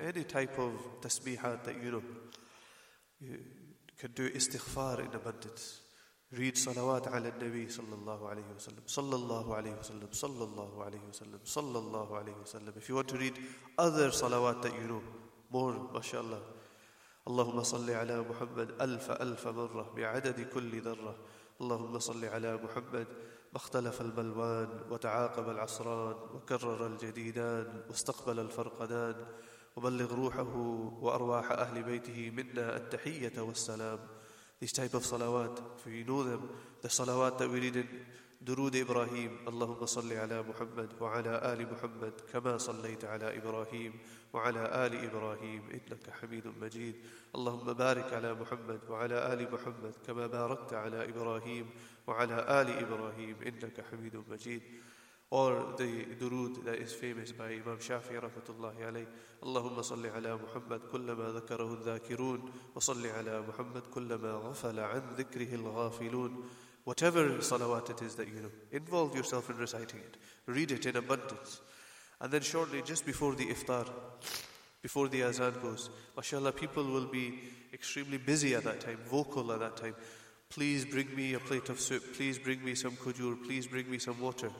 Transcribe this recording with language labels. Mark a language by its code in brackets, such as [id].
[en] Any type of tasbihat that you know, you can do istighfar in abundance. Read salawat ala al-Nabi sallallahu alayhi wa sallam, sallallahu alayhi wa sallam, sallallahu alayhi wa sallam, sallallahu alayhi wa sallam. If you want to read other salawat that you know, more, mashallah. [ar] اللهم صل على محمد ألف ألف مرة بعدد كل ذرة اللهم صل على محمد ما اختلف البلوان وتعاقب العصران وكرر الجديدان واستقبل الفرقدان وبلغ روحه وأرواح أهل بيته منا التحية والسلام. [en] These type of salawat, if you know them, the salawat that we read in Durood Ibrahim, [ar] اللهم صل على محمد وعلى آل محمد كما صليت على إبراهيم وعلى آل إبراهيم إنك حميد مجيد. اللهم بارك على محمد وعلى آل محمد كما باركت على إبراهيم وعلى آل إبراهيم إنك حميد مجيد. [en] Or the Durood that is famous by Imam Shafi'i rahmatullahi alayh. [ar] اللهم صل على محمد كلما ذكره الذاكرون وصل على محمد كلما غفل عن ذكره الغافلون. [en] Whatever salawat it is that you know, involve yourself in reciting it. Read it in abundance. And then shortly, just before the iftar, before the azan goes. MashaAllah, people will be extremely busy at that time, vocal at that time. Please bring me a plate of soup. Please bring me some khujur. Please bring me some water.